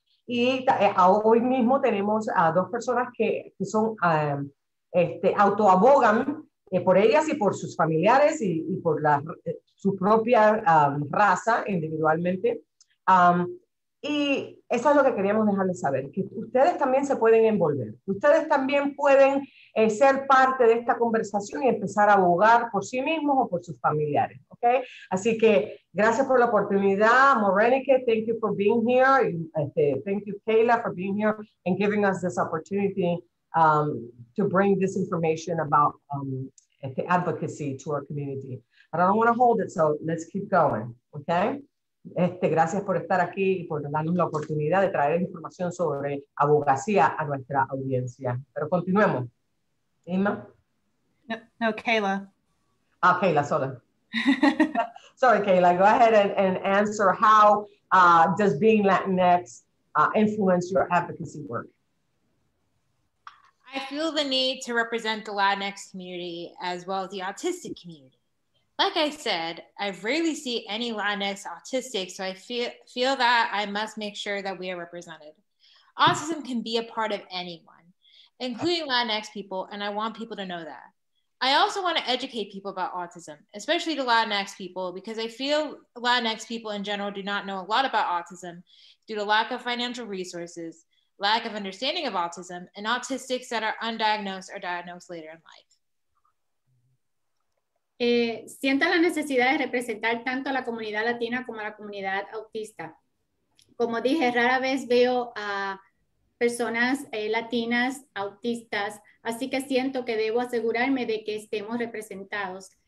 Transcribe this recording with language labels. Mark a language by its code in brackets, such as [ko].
[es] Y hoy mismo tenemos a dos personas que son autoabogan por ellas y por sus familiares y por su propia raza individualmente. Y eso es lo que queríamos dejarles saber, que ustedes también se pueden envolver. Ustedes también pueden ser parte de esta conversación y empezar a abogar por sí mismos o por sus familiares, ¿okay? Así que gracias por la oportunidad, Morenike, [en] thank you for being here. Thank you, Kayla, for being here and giving us this opportunity to bring this information about the advocacy to our community. But I don't want to hold it, so let's keep going, okay? [es] Gracias por estar aquí y por darnos la oportunidad de traer información sobre abogacía a nuestra audiencia. Pero continuemos. Inma? No, Kayla. Ah, Kayla, sola. [en] Sorry, Kayla, go ahead and answer how does being Latinx influence your advocacy work? I feel the need to represent the Latinx community as well as the autistic community. Like I said, I rarely see any Latinx autistics, so I feel that I must make sure that we are represented. Autism can be a part of anyone, including Latinx people, and I want people to know that. I also want to educate people about autism, especially the Latinx people, because I feel Latinx people in general do not know a lot about autism due to lack of financial resources, lack of understanding of autism, and autistics that are undiagnosed or diagnosed later in life. [es] Siento la necesidad de representar tanto a la comunidad latina como a la comunidad autista. Como dije, rara vez veo a personas latinas autistas, así que siento que debo asegurarme de que estemos representados.